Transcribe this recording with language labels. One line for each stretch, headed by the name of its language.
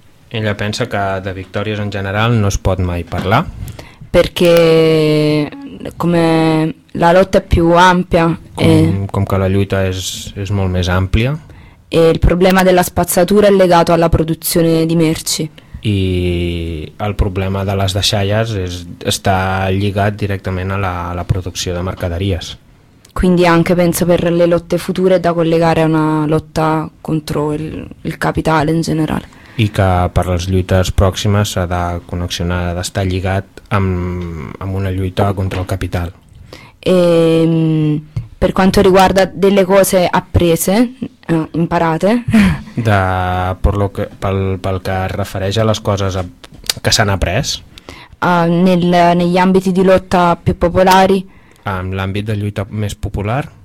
Italian: Ella pensa che di vittorie in generale non si può mai parlare. Perché come la lotta è più ampia.
Catalan: Com che la lotta è molto più ampia.
Italian: E il problema della spazzatura è legato alla produzione di merci.
Catalan: I el problema de les deixalles està lligat directament a la producció de mercaderies.
Italian: Quindi anche penso per le lotte future da collegare a una lotta contro il capitale in generale.
Catalan: I que per les lluites pròximes s'ha de connexionar, d'està lligat amb una lluita contra el capital.
Italian: E, per quanto riguarda delle cose apprese, imparate.
Catalan: Pel que es refereix a les coses que s'han après.
Italian: Negli ambiti di lotta più popolari.
Catalan: En l'àmbit de lluita més popular.